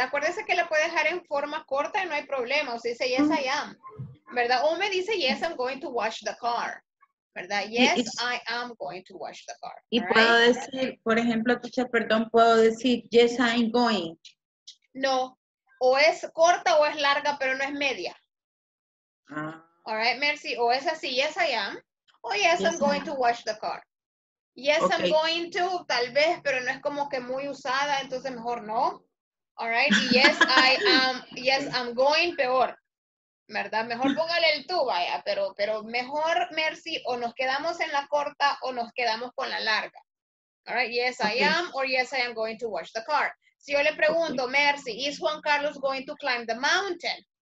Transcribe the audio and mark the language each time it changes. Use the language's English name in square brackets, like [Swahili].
[Spanish] Acuérdese que la puede dejar en forma corta y no hay problema. O sea, dice [English] yes, I am. [Spanish] ¿Verdad? O me dice [English] yes, I'm going to wash the car. [Spanish] ¿Verdad? [English] Yes, I am going to wash the car. [Spanish] Y right? Puedo decir, por ejemplo, teacher, perdón, puedo decir [English] yes, I'm going. [Spanish] No. O es corta o es larga, pero no es media. [English] Ah. All right, Mercy. [Spanish] O es así, [English] yes, I am. O yes, yes, I'm going to wash the car. Yes, okay. I'm going to, [Spanish] tal vez, pero no es como que muy usada, entonces mejor no. [English] All right, yes, I am. Yes, I'm going, [Spanish] peor. ¿Verdad? Mejor póngale el tú, vaya. Pero mejor, Mercy, o nos quedamos en la corta o nos quedamos con la larga. [English] All right, yes, okay. I am, or yes, I am going to wash the car. [Spanish] Si yo le pregunto, [English] okay. Mercy, is Juan Carlos going to climb the mountain?